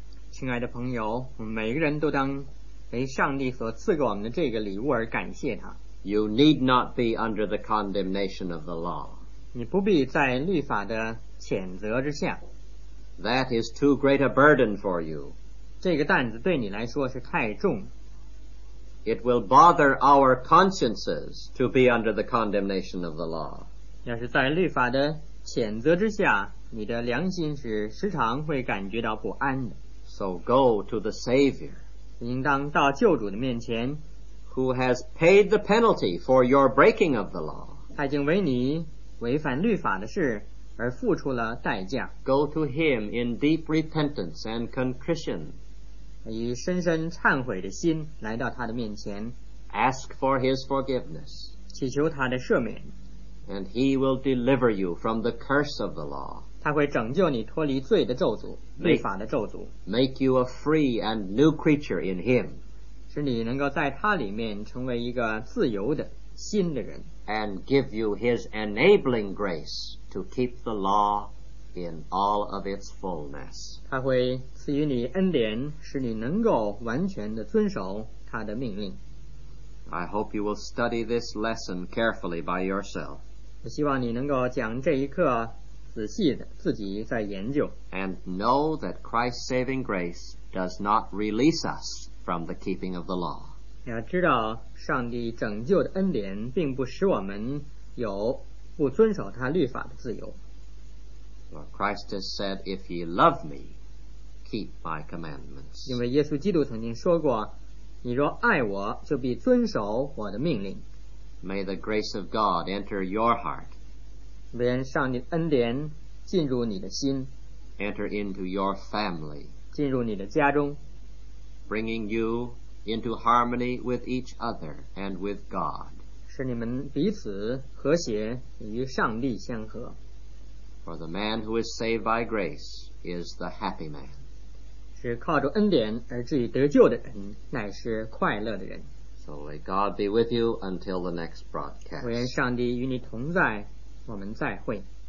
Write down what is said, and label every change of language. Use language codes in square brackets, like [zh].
[zh] 亲爱的朋友，我们每个人都当为上帝所赐给我们的这个礼物而感谢他。 [en] You need not be under the condemnation of the law. [zh] 你不必在律法的谴责之下。 [en] That is too great a burden for you. [zh] 这个担子对你来说是太重。 [en] It will bother our consciences to be under the condemnation of the law. [zh] 要是在律法的谴责之下，你的良心是时常会感觉到不安的。 [en] So go to the Savior. [zh] 应当到救主的面前。 [en] Who has paid the penalty for your breaking of the law. [zh] 他已经为你违反律法的事而付出了代价。 [en] Go to him in deep repentance and contrition. [zh] 以深深忏悔的心来到他的面前。 [en] Ask for his forgiveness. [zh] 祈求他的赦免。 [en] And he will deliver you from the curse of the law. [zh] 他会拯救你脱离罪的咒诅，律法的咒诅。 [en] Make you a free and new creature in him. [zh] 使你能够在他里面成为一个自由的新的人。 [en] And give you his enabling grace to keep the law in all of its fullness. [zh] 他会赐予你恩典，使你能够完全的遵守他的命令。 [en] I hope you will study this lesson carefully by yourself. [zh] 我希望你能够将这一课仔细的自己再研究。 [en] And know that Christ's saving grace does not release us from the keeping of the law. [zh] 要知道上帝拯救的恩典并不使我们有不遵守他律法的自由。 [en] For Christ has said, if ye love me, keep my commandments. [zh] 因为耶稣基督曾经说过，你若爱我，就必遵守我的命令。 [en] May the grace of God enter your heart. [zh] 愿上帝的恩典进入你的心。 [en] Enter into your family. [zh] 进入你的家中。 [en] Bringing you into harmony with each other and with God. [zh] 使你们彼此和谐，与上帝相合。 [en] For the man who is saved by grace is the happy man. [zh] 是靠着恩典而至于得救的人，乃是快乐的人。 [en] So may God be with you until the next broadcast. [zh] 我愿上帝与你同在，我们再会。